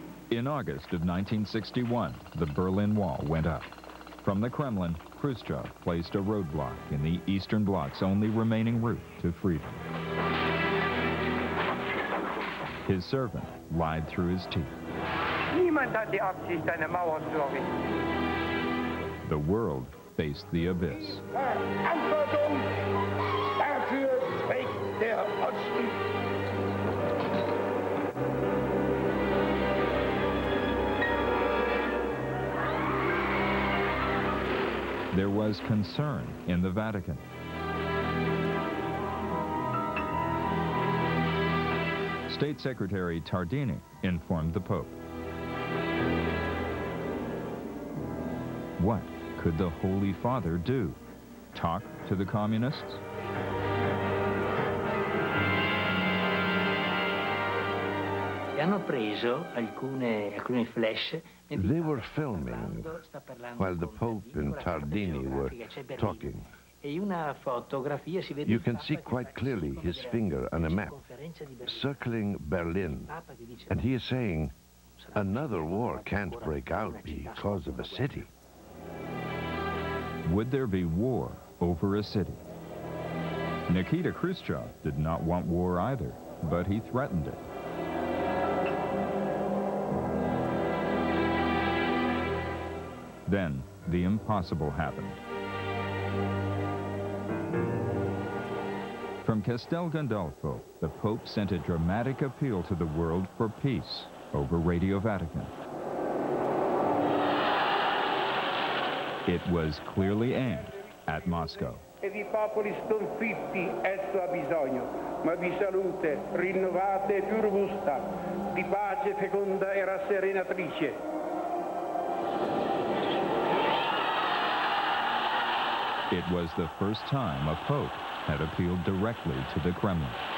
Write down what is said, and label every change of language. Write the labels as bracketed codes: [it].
[en] In August of 1961, the Berlin Wall went up. From the Kremlin, Khrushchev placed a roadblock in the Eastern Bloc's only remaining route to freedom. His servant lied through his teeth. [de] Niemand hat die Absicht, eine Mauer zu errichten. [en] The world faced the abyss. [de] Verantwortung, dafür trägt der Osten. [en] There was concern in the Vatican. State Secretary Tardini informed the Pope. What could the Holy Father do? Talk to the communists? [it] Hanno preso alcune flash [en] They were filming while the Pope and Tardini were talking. You can see quite clearly his finger on a map, circling Berlin. And he is saying, another war can't break out because of a city. Would there be war over a city? Nikita Khrushchev did not want war either, but he threatened it. Then, the impossible happened. From Castel Gandolfo, the Pope sent a dramatic appeal to the world for peace over Radio Vatican. It was clearly aimed at Moscow. [it] I popoli sconfitti, esso ha bisogno, ma di salute rinnovata e più robusta, di pace feconda e rasserenatrice. [en] It was the first time a Pope had appealed directly to the Kremlin.